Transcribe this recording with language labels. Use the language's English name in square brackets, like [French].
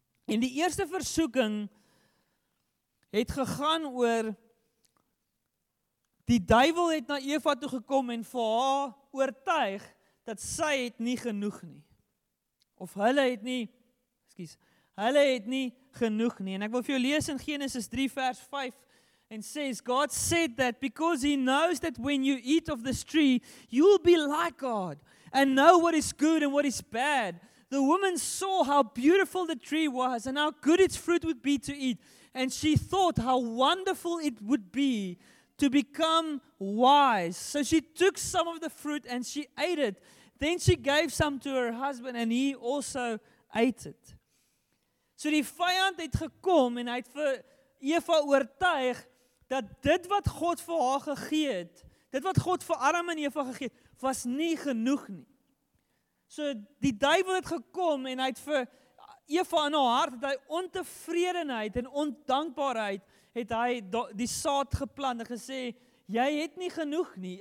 [Afrikaans] En die eerste versoeking het gegaan oor, die duivel het na Eva toe gekom en vir haar oortuig, dat sy het nie genoeg nie. Of hulle het nie genoeg nie. En ek wil vir jou lees in Genesis 3 vers 5, [English] and says, God said that because he knows that when you eat of this tree, you will be like God and know what is good and what is bad. The woman saw how beautiful the tree was and how good its fruit would be to eat. And she thought how wonderful it would be to become wise. So she took some of the fruit and she ate it. Then she gave some to her husband and he also ate it. [Afrikaans] So die vyand het gekom en hy het vir Eva oortuig dat dit wat God vir haar gegee het, dit wat God vir Adam en Eva gegee het, was nie genoeg nie. So die duivel het gekom en hy het vir Eva in haar hart, het hy ontevredenheid en ondankbaarheid, het hy die saad geplant en gesê, jy het nie genoeg nie.